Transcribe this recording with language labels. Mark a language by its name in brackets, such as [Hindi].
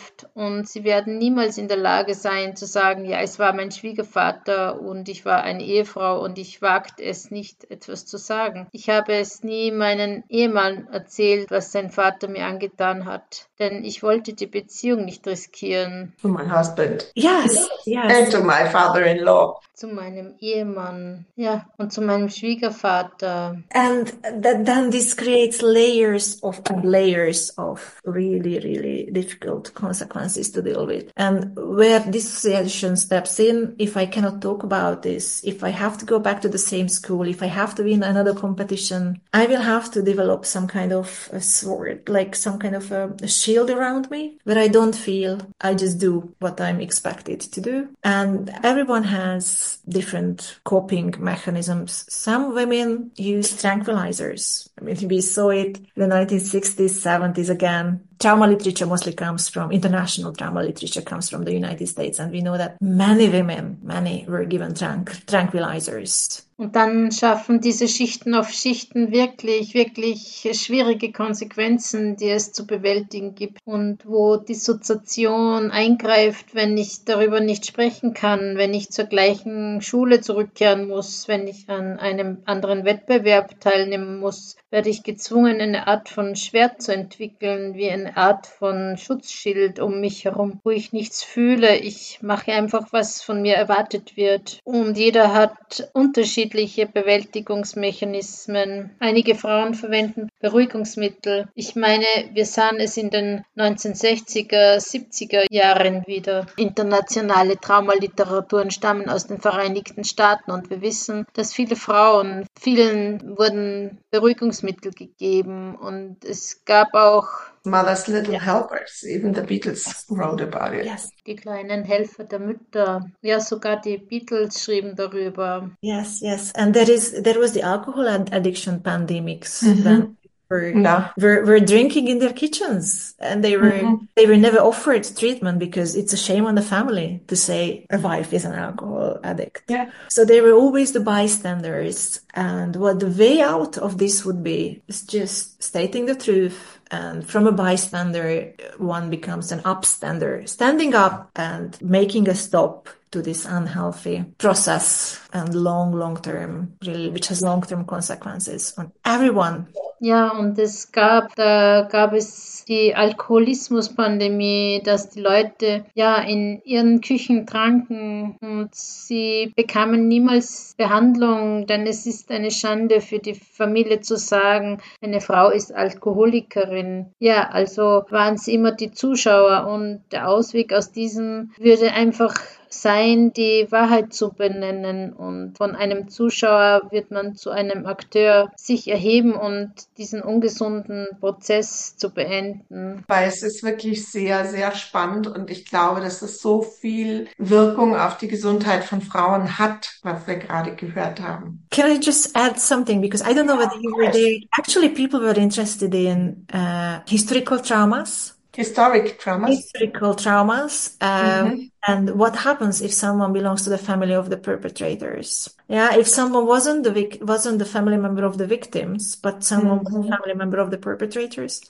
[German] oft und sie werden niemals in der Lage sein zu sagen, ja, es war mein Schwiegervater und ich war eine Ehefrau und ich wagt es nicht, etwas zu sagen. Ich habe es nie meinen Ehemann erzählt, was sein Vater mir angetan hat, denn ich wollte die Beziehung nicht riskieren. [English] To my husband. Yes, yes. And to my father-in-law. [German] Zu meinem Ehemann, ja, und zu meinem Schwiegervater. [English] And then this creates layers of layers of really, really difficult consequences to deal with. And where dissociation steps in, if I cannot talk about this, if I have to go back to the same school, if I have to win another competition, I will have to develop some kind of a sword, like some kind of a shield around me, where I don't feel, I just do what I'm expected to do. And everyone has different coping mechanisms. Some women use tranquilizers. I mean, we saw it in the 1960s, 70s again. Trauma literature mostly comes from, international trauma literature comes from the United States. And we know that many women, many were given tranquilizers. [German] Und dann schaffen diese Schichten auf Schichten wirklich, wirklich schwierige Konsequenzen, die es zu bewältigen gibt. Und wo Dissoziation eingreift, wenn ich darüber nicht sprechen kann, wenn ich zur gleichen Schule zurückkehren muss, wenn ich an einem anderen Wettbewerb teilnehmen muss, werde ich gezwungen, eine Art von Schwert zu entwickeln, wie eine Art von Schutzschild um mich herum, wo ich nichts fühle. Ich mache einfach, was von mir erwartet wird. Und jeder hat Unterschiede. Unterschiedliche Bewältigungsmechanismen. Einige Frauen verwenden Beruhigungsmittel. Ich meine, wir sahen es in den 1960er, 70er Jahren wieder. Internationale Traumaliteraturen stammen aus den Vereinigten Staaten und wir wissen, dass viele Frauen, vielen wurden Beruhigungsmittel gegeben und es gab auch [English] Mother's Little Helpers, even the Beatles wrote about it. Yes. [German] Die kleinen Helfer der Mütter. Ja, sogar die Beatles schrieben darüber. [English] Yes, yes. And there was the alcohol and addiction pandemics. Mm-hmm. We're drinking in their kitchens and they were never offered treatment because it's a shame on the family to say a wife is an alcohol addict. Yeah. So they were always the bystanders. And what the way out of this would be is just stating the truth. And from a bystander, one becomes an upstander, standing up and making a stop to this unhealthy process and long, long-term, really, which has long-term consequences on everyone. [German] Ja, und es gab, da gab es die Alkoholismus-Pandemie, dass die Leute ja in ihren Küchen tranken und sie bekamen niemals Behandlung, denn es ist eine Schande für die Familie zu sagen, eine Frau ist Alkoholikerin. Ja, also waren es immer die Zuschauer und der Ausweg aus diesem würde einfach sein, die Wahrheit zu benennen und von einem Zuschauer wird man zu einem Akteur sich erheben und diesen ungesunden Prozess zu beenden. Weil es ist wirklich sehr, sehr spannend und ich glaube, dass es so viel Wirkung auf die Gesundheit von Frauen hat, was wir gerade gehört haben. [English] Can I just add something? Because I don't know whether you were there. Actually, people were interested in historical traumas. Historical traumas. And what happens if someone belongs to the family of the perpetrators? Yeah, if someone wasn't the family member of the victims, but someone was a family member of the perpetrators.